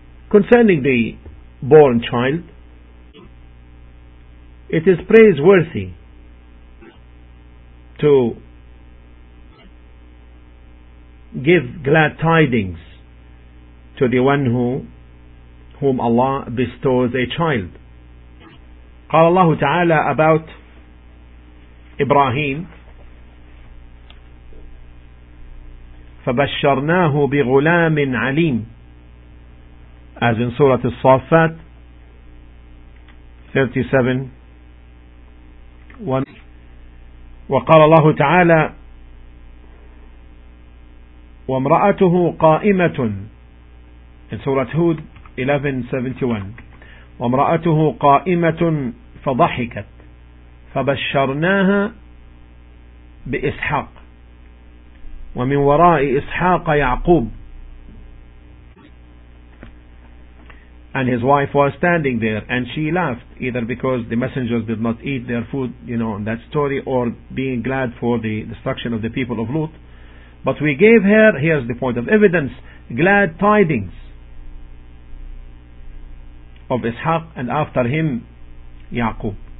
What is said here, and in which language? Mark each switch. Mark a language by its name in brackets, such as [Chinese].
[English] Concerning the born child, it is praiseworthy to give glad tidings to the one whom Allah bestows a child. [Arabic] قال الله تعالى [English] about [Arabic] إبراهيم فبشرناه بغلام عليم, [English] as in [Arabic] سورة الصافات 37. وقال الله تعالى وامرأته قائمة, in سورة هود 11:71. وامرأته قائمة فضحكت فبشرناها بإسحاق ومن وراء إسحاق يعقوب. [English] And his wife was standing there and she laughed, either because the messengers did not eat their food, you know, in that story, or being glad for the destruction of the people of Lut. But we gave her, here's the point of evidence, glad tidings of Ishaq and after him Yaqub.